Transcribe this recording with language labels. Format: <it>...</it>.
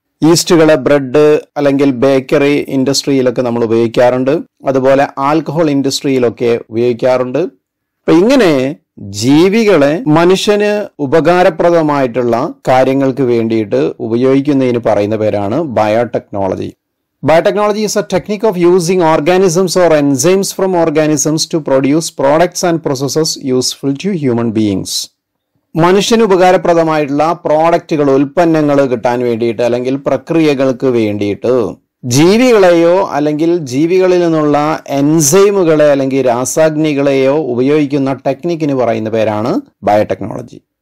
<ml>ഈസ്റ്റുകളെ bread അല്ലെങ്കിൽ bakery ഇൻഡസ്ട്രിയിലൊക്കെ നമ്മൾ ഉപയോഗിക്കാറുണ്ട്. അതുപോലെ ആൽക്കഹോൾ ഇൻഡസ്ട്രിയിലൊക്കെ ഉപയോഗിക്കാറുണ്ട്. അപ്പൊ ഇങ്ങനെ ജീവികളെ മനുഷ്യന് ഉപകാരപ്രദമായിട്ടുള്ള കാര്യങ്ങൾക്ക് വേണ്ടിയിട്ട് ഉപയോഗിക്കുന്നതിന് പറയുന്ന പേരാണ് biotechnology.</ml> <en>Biotechnology is a technique of using organisms or enzymes from organisms to produce products and processes useful to human beings.</en> <ml>മനുഷ്യന് ഉപകാരപ്രദമായിട്ടുള്ള പ്രോഡക്റ്റുകൾ, ഉൽപ്പന്നങ്ങൾ കിട്ടാൻ വേണ്ടിയിട്ട് അല്ലെങ്കിൽ പ്രക്രിയകൾക്ക് വേണ്ടിയിട്ട് ജീവികളെയോ അല്ലെങ്കിൽ ജീവികളിൽ നിന്നുള്ള എൻസൈമുകളെ അല്ലെങ്കിൽ രാസാഗ്നികളെയോ ഉപയോഗിക്കുന്ന ടെക്നിക്കിന് പറയുന്ന പേരാണ് ബയോടെക്നോളജി.</ml>